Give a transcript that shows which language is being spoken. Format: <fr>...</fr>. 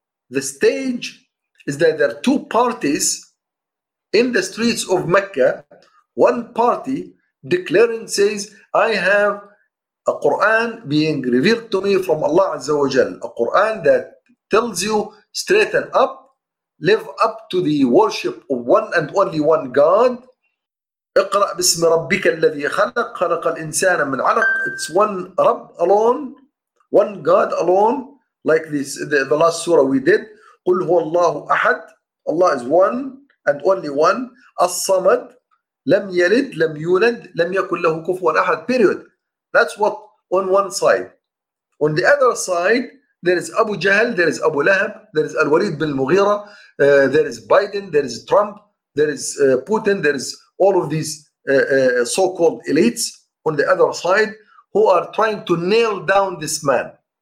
<en>The stage is that there are two parties in the streets of Mecca. One party declaring, says, I have a Quran being revealed to me from Allah Azza wa Jal. A Quran that tells you straighten up, live up to the worship of one and only one God.</en> <ar>اقرأ باسم ربك الذي خلق خلق الإنسان من علق.</ar> <en>It's one Rabb alone, one God alone, like this the last surah we did.</en> <ar>قل هو الله أحد.</ar> <en>Allah is one and only one. الصمد.</en> <ar>لم يلد لم يولد لم يكن له كفوا أحد.</ar> <en>Period. That's what on one side. On the other side, there is Abu Jahl, there is Abu Lahab, there is Al-Walid bin Mughira, there is Biden, there is Trump, there is Putin, there is all of these so-called elites on the other side who are trying to nail down this man.</en>